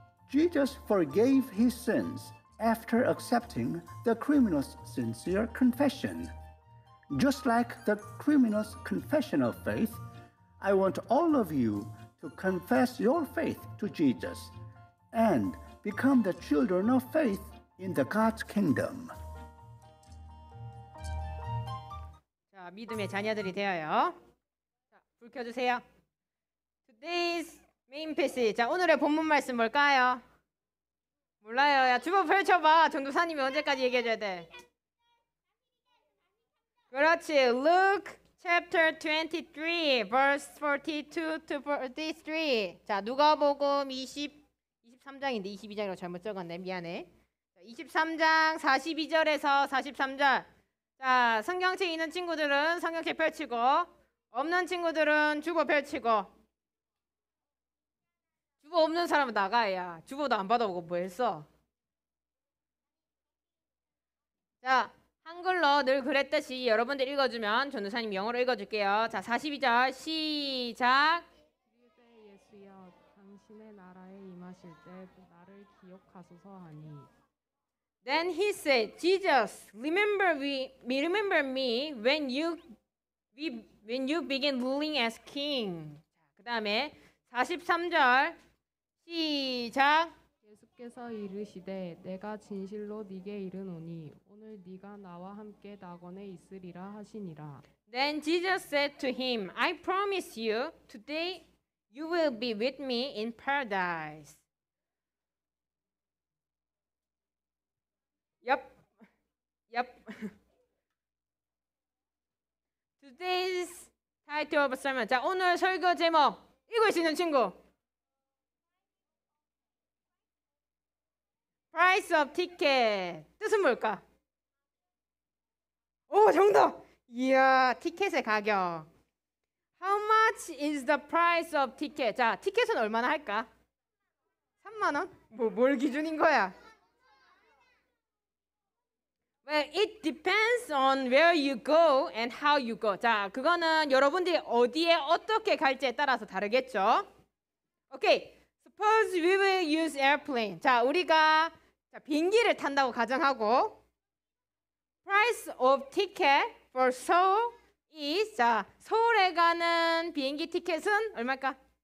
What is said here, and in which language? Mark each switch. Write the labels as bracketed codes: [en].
[en] Jesus forgave his sins after accepting the criminal's sincere confession. Just like the criminal's confession of faith, I want all of you to confess your faith to Jesus and become the children of faith in the God's kingdom. [ko] 자, 믿음의 자녀들이 되어요. 자, 불 켜주세요. [en] Today's main passage. [ko] 자, 오늘의 본문 말씀 뭘까요? 몰라요. 야, 주문 펼쳐봐. 전도사님이 언제까지 얘기해줘야 돼? 그렇지. [en] Luke chapter 23, verse 42 to 43. [ko] 자, 누가복음 23장인데 22장이라고 잘못 적었네. 미안해. 23장 42절에서 43절. 자, 성경책 있는 친구들은 성경책 펼치고, 없는 친구들은 주보 펼치고. 주보 없는 사람은 나가, 야. 주보도 안 받아보고 뭐 했어? 자, 한글로 늘 그랬듯이 여러분들 읽어주면 전도사님 영어로 읽어줄게요. 자, 42절 시작. 이제 예수여, 당신의 나라에 임하실 때 나를 기억하소서 하니. [en] Then he said, Jesus, remember me when you begin ruling as king. [ko] 그 다음에 43절 시작. 께서 이르시되 내가 진실로 네게 이르노니 오늘 네가 나와 함께 낙원에 있으리라 하시니라. [en] Then Jesus said to him, I promise you, today you will be with me in paradise. Yep. Yep. Today's title of sermon. [ko] 자, 오늘 설교 제목 읽을 수 있는 친구. [en] Price of ticket. [ko] 뜻은 뭘까? 오, 정답! 이야, 티켓의 가격. [en] How much is the price of ticket? [ko] 자, 티켓은 얼마나 할까? 3만 원? 뭘 기준인 거야? [en] Well, it depends on where you go and how you go. [ko] 자, 그거는 여러분들이 어디에 어떻게 갈지에 따라서 다르겠죠? [en] Okay, suppose we will use airplane. [ko] 자, 우리가 자, 비행기를 탄다고 가정하고 [en] price of ticket for Seoul is [ko] 자, 서울에 가는 비행기 티켓은 얼마일까?